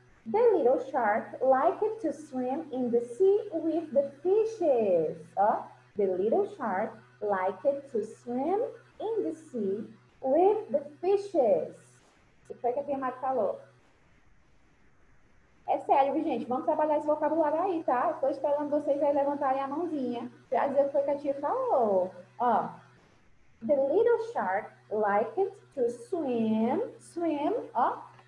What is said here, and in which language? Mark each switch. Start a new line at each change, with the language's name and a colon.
English: The little shark liked to swim in the sea with the fishes. Ó. The little shark liked to swim in the sea with the fishes.
Portuguese: O que foi que a tia Mari falou? É sério, gente, vamos trabalhar esse vocabulário aí, tá? Estou esperando vocês aí levantarem a mãozinha para dizer o que foi que a tia falou. Ó.
English: The little shark liked to swim, swim, ó.